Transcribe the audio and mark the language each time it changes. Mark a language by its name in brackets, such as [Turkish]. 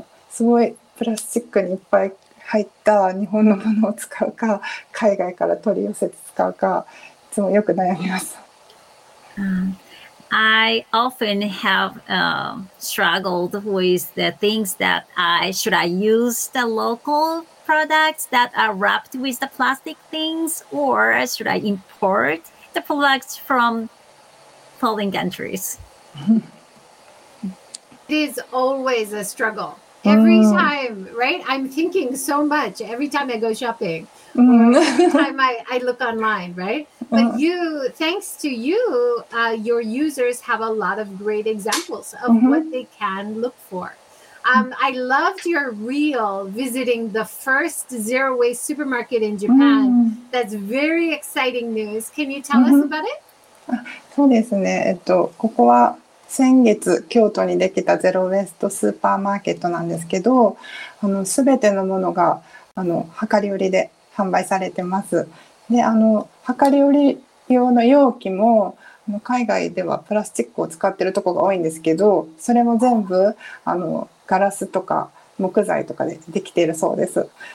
[Japanese] すごいプラスチックにいっぱい入った日本のものを使うか、海外から取り寄せて使うか、いつもよく悩みます。 [English] I often have struggled with the things that should I use the local products that are wrapped with the plastic things, or should I import the products from foreign countries? It is always a struggle. Every time, right? I'm thinking so much every time I go shopping. Or every time I look online, right? But you, thanks to you, your users have a lot of great examples of mm-hmm. what they can look for. I loved your reel visiting the first zero waste supermarket in Japan. Mm-hmm. That's very exciting news. Can you tell mm-hmm. us about it? [Japanese] そうですね。ここは先月京都にできたゼロウェストスーパーマーケットなんですけど、すべてのものが量り売りで販売されてます。で、量り売り用の容器も海外ではプラスチックを使ってるところが多いんですけど、それも全部ガラスとか木材とかでできているそうです。